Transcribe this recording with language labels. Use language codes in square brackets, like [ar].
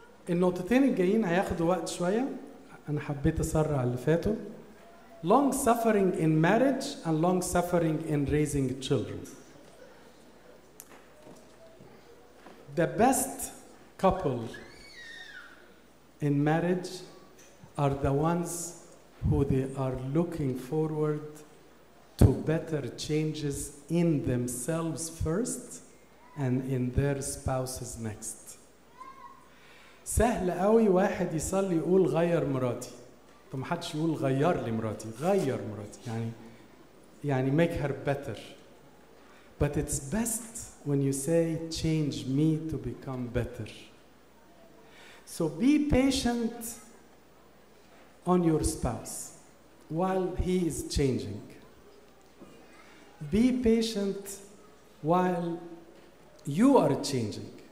[ar] النقطتين الجايين هياخدوا وقت شوية. أنا حبيت أسرع اللي فاتوا. [en] Long suffering in marriage and long suffering in raising children. The best couple in marriage are the ones who they are looking forward to better changes in themselves first and in their spouses next. [ar] سهل قوي واحد يصلي يقول غير مراتي. طب ما حدش يقول غير لي مراتي، غير مراتي، يعني [en] make her better. But it's best when you say change me to become better. So be patient on your spouse while he is changing. Be patient while you are changing.